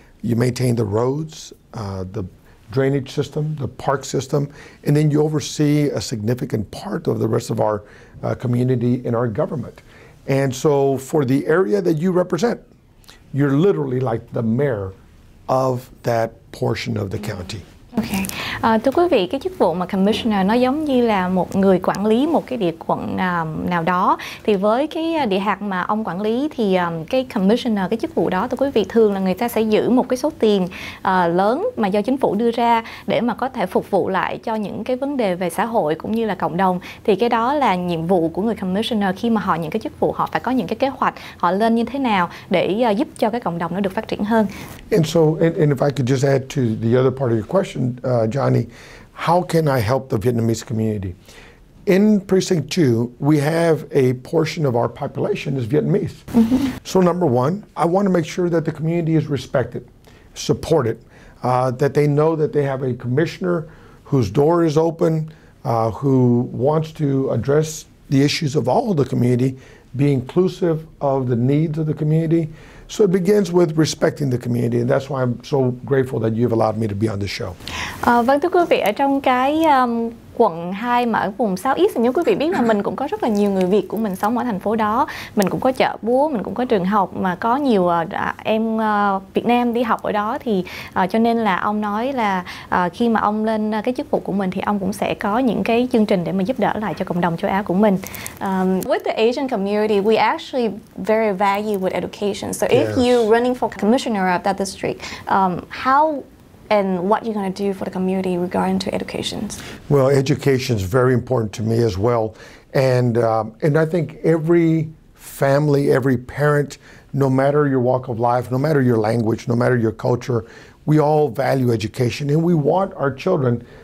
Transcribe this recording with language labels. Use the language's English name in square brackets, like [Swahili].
[English] You maintain the roads, the drainage system, the park system, and then you oversee a significant part of the rest of our community and our government. And so for the area that you represent, you're literally like the mayor of that portion of the county. Okay. [Vietnamese] Thưa quý vị, cái chức vụ mà commissioner nó giống như là một người quản lý một cái địa quận nào đó. Thì với cái địa hạt mà ông quản lý thì cái commissioner, cái chức vụ đó, thưa quý vị, thường là người ta sẽ giữ một cái số tiền lớn mà do chính phủ đưa ra để mà có thể phục vụ lại cho những cái vấn đề về xã hội cũng như là cộng đồng. Thì cái đó là nhiệm vụ của người commissioner, khi mà họ những cái chức vụ, họ phải có những cái kế hoạch họ lên như thế nào để giúp cho cái cộng đồng nó được phát triển hơn. [English] And so, and if I could just add to the other part of your question, Johnny, how can I help the Vietnamese community? In Precinct 2, we have a portion of our population is Vietnamese. Mm-hmm. So number one, I want to make sure that the community is respected, supported, that they know that they have a commissioner whose door is open, who wants to address the issues of all of the community, be inclusive of the needs of the community. So it begins with respecting the community, and that's why I'm so grateful that you've allowed me to be on the show. [Vietnamese] Vâng, thưa quý vị, ở trong cái quận 2 mà ở vùng South East, như quý vị biết là mình cũng có rất là nhiều người Việt của mình sống ở thành phố đó. Mình cũng có chợ búa, mình cũng có trường học, mà có nhiều em Việt Nam đi học ở đó. Thì cho nên là ông nói là khi mà ông lên cái chức vụ của mình thì ông cũng sẽ có những cái chương trình để mà giúp đỡ lại cho cộng đồng châu Á của mình. [English] With the Asian community, we actually very value with education. So yes. If you running for commissioner of that district, how and what you're going to do for the community regarding to education? Well, education is very important to me as well. And I think every family, every parent, no matter your walk of life, no matter your language, no matter your culture, we all value education. And we want our children